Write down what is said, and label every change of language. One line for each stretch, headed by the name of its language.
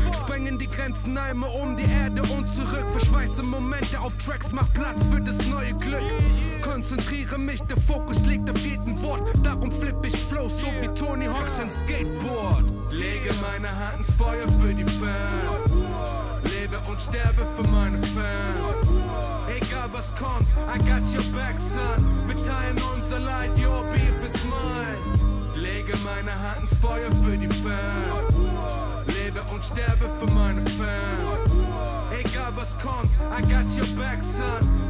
German: Sprengen die Grenzen einmal um die Erde und zurück. Verschweiße Momente auf Tracks, mach Platz für das neue Glück. Konzentriere mich, der Fokus liegt auf jeden Wort. Darum flipp ich Flow, so wie Tony Hawk's ein Skateboard. Lege meine Hand ins Feuer für die Fans. Lebe und sterbe für meine Fans. Egal was kommt,
English: I got your back, son.
German: Wir teilen unser Leid,
English: your beef is mine.
German: Lege meine Hand ins Feuer für die Fans. Lebe und sterbe für meine Fans. Egal was kommt,
English: I got your back, son.